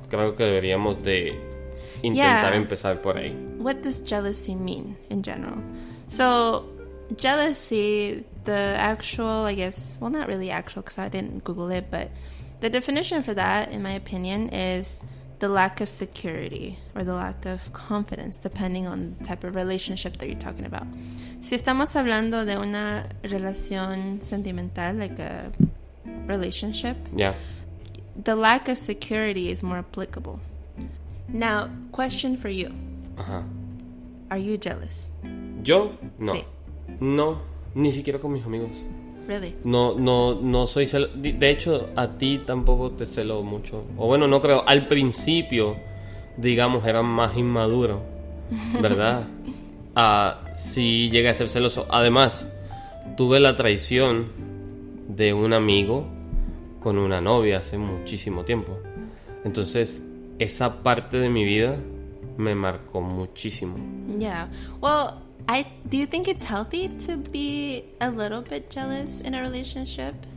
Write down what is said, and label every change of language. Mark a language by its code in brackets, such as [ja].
[es] Creo que deberíamos de intentar empezar por ahí. [en] What does jealousy mean in general? So, jealousy, the actual, I guess, well, not really actual because I didn't Google it, but the definition for that, in my opinion, is the lack of security or the lack of confidence, depending on the type of relationship that you're talking about. [es] Si estamos hablando de una relación sentimental, [en] like a relationship, yeah, the lack of security is more applicable. Now, question for you. Uh-huh. Are you jealous? [es] Yo no, sí. No, ni siquiera con mis amigos. [en] Really? [es] No soy celo. De hecho, a ti tampoco te celo mucho. O bueno, no creo. Al principio, digamos, era más inmaduro, ¿verdad? sí llegué a ser celoso. Además, tuve la traición de un amigo con una novia hace muchísimo tiempo. Entonces, esa parte de mi vida me marcó muchísimo. [en] Yeah. Well, do you think it's healthy to be a little bit jealous in a relationship?